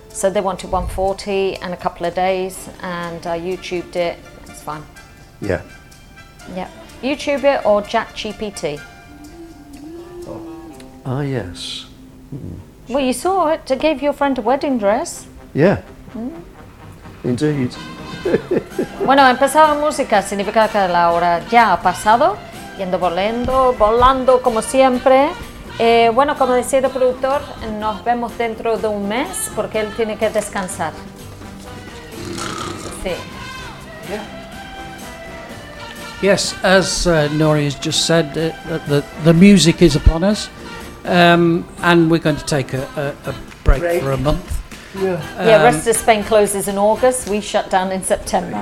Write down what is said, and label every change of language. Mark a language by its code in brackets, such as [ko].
[en] So they wanted 140 and a couple of days, and I YouTubed it. It's fine. Yeah. Yep. YouTube it or ChatGPT. Ah, yes. Mm. Well, you saw it. It gave your friend a wedding dress. Yeah. Mm. Indeed. [es] Bueno, empezaba música. Significa que la hora ya ha pasado. Yendo volando como siempre. Bueno, como decía el productor, nos vemos dentro de un mes porque él tiene que descansar. Sí. [en] Yeah. Yes, as Nori has just said, the music is upon us. And we're going to take a break for a month. Yeah. Yeah, rest of Spain closes in August. We shut down in September.